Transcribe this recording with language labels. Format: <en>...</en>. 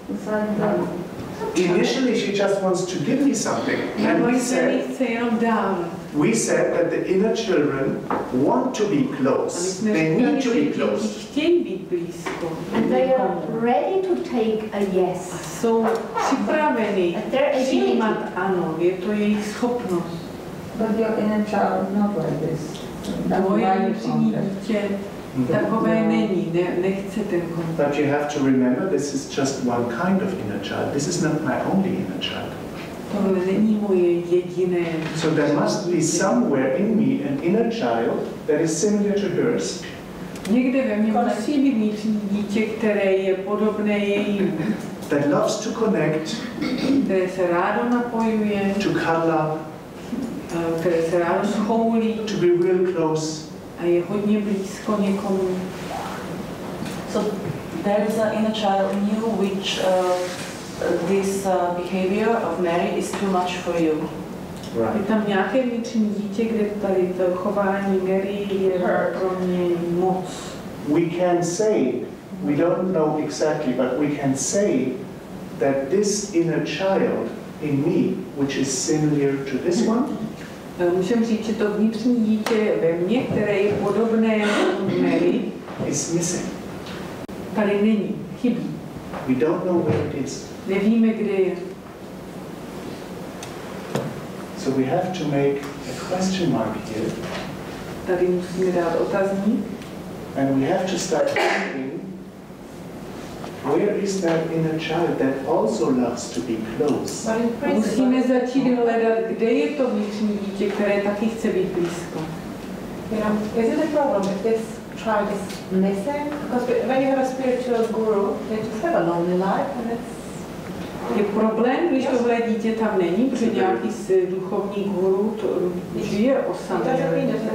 <en>Initially, she just wants to give me something. And we said that the inner children want to be close. They need to be close. And they are ready to take a yes.</en> <cs>So, připravení, přijímat ano, je to jejich schopnost.</cs> <en>But your inner child not like this.</en> <cs>Tvoje vnitřní dítě takové není, nechce ten kontakt.</cs> <en>But you have to remember, this is just one kind of inner child. This is not my only inner child.</en> <cs>Tohle není moje jediné.</cs> <en>So there must be somewhere in me an inner child that is similar to hers.</en> <cs>Někde ve mně musí být vnitřní dítě, které je podobné jejím.</cs> <en>That loves to connect,</en> <cs>které se rádo napojuje,</cs> <en>to cuddle up,</en> <cs>které se rádo schoulí,</cs> <en>to be real close,</en> <cs>a je hodně blízko někomu.</cs> <en>So there is an inner child in you which this behavior of Mary is too much for you. Right.</en> <cs>Je tam nějaké vnitřní dítě, kde tady to chování Mary je pro mě moc.</cs> <en>We can say, we don't know exactly, but we can say that this inner child in me, which is similar to this one,</en> <cs>můžeme říct, že to vnitřní dítě ve mně, které je podobné Mary,</cs> <en>is missing.</en> <cs>Tady není, chybí.</cs> <en>We don't know where it is.</en> <cs>Nevíme, kde je.</cs> <en>So we have to make a question mark here.</en> <cs>Tady musíme dát otazník.</cs> <en>And we have to start thinking, where is that inner child that also loves to be close?</en> <cs>Musíme začít hledat, kde je to vnitřní dítě, které taky chce být blízko.</cs> <en>Is it a problem if this child is missing? Because when you have a spiritual guru, they just have a lonely life and it's</en> <cs>je problém, když tohle dítě tam není, protože nějaký z duchovní guru to žije osamělý.</cs>